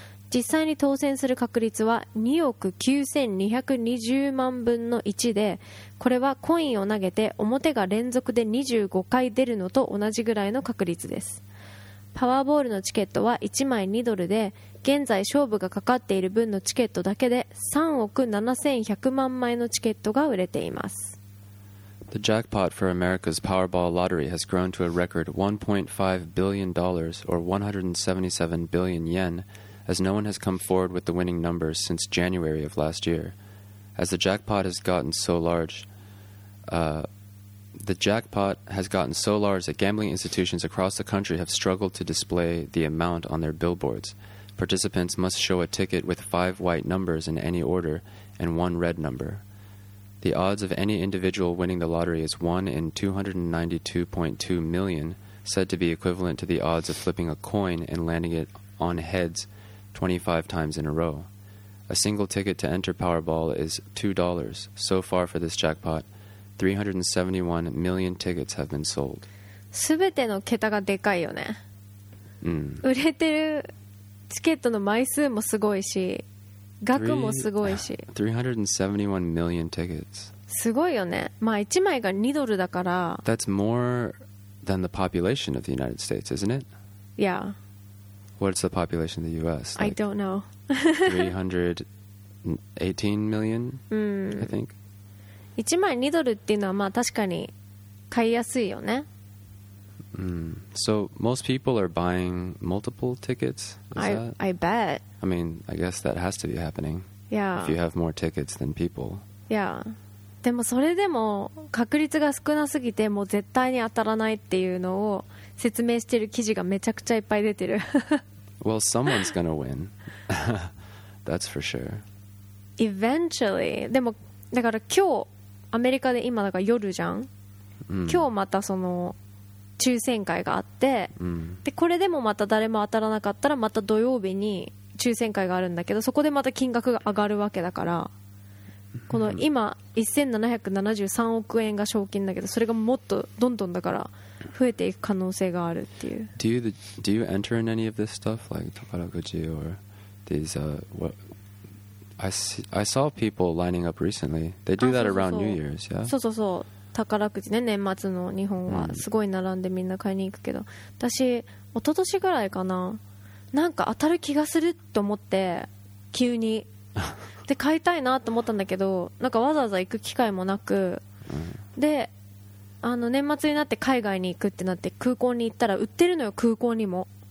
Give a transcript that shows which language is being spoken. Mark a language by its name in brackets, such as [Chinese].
[Japanese] 実際に当選する確率は2億9220万分の1で、これはコインを投げて表が連続で25回出るのと同じぐらいの確率です。パワーボールのチケットは1枚2ドルで、現在勝負がかかっている分のチケットだけで3億7100万枚のチケットが売れています。 [English] The jackpot for America's Powerball lottery has grown to a record $1.5 billion or 177 billion yen as no one has come forward with the winning numbers since January of last year. As the jackpot has gotten so large, that gambling institutions across the country have struggled to display the amount on their billboards. Participants must show a ticket with 5 white numbers in any order and 1 red number. The odds of any individual winning the lottery is 1 in 292.2 million, said to be equivalent to the odds of flipping a coin and landing it on heads 25 times in a row. A single ticket to enter Powerball is $2. So far for this jackpot, 371 million tickets have been sold. [Japanese] 全ての桁がでかいよね。うん。売れてるチケットの枚数もすごいし、額もすごいし。 [English] 371 million tickets. [Japanese] すごいよね。まあ1枚が2ドルだから。 [English] That's more than the population of the United States, isn't it? Yeah. What's the population of the U.S.? Like, I don't know. 318 million, I think. [Japanese] 1枚2ドルっていうのはまあ確かに買いやすいよね。 [English] So most people are buying multiple tickets? I bet. I mean, I guess that has to be happening. Yeah. If you have more tickets than people. Yeah. [Japanese] でもそれでも確率が少なすぎてもう絶対に当たらないっていうのを説明してる記事がめちゃくちゃいっぱい出てる。 [English] Well, someone's gonna win. That's for sure. Eventually. [Japanese] でもだから今日アメリカで今だから夜じゃん。今日またその抽選会があって、でこれでもまた誰も当たらなかったらまた土曜日に抽選会があるんだけど、そこでまた金額が上がるわけだから、この今1773億円が賞金だけど、それがもっとどんどんだから増えていく可能性があるっていう。 [English] Do you enter in any of this stuff, like 宝くじ or these I saw people lining up recently. They do that around New Year's, yeah? [Japanese] そうそうそう、宝くじね、年末の日本はすごい並んでみんな買いに行くけど、私一昨年ぐらいかな、なんか当たる気がすると思って急にで買いたいなと思ったんだけど、なんかわざわざ行く機会もなく、で、あの年末になって海外に行くってなって空港に行ったら売ってるのよ、空港にも。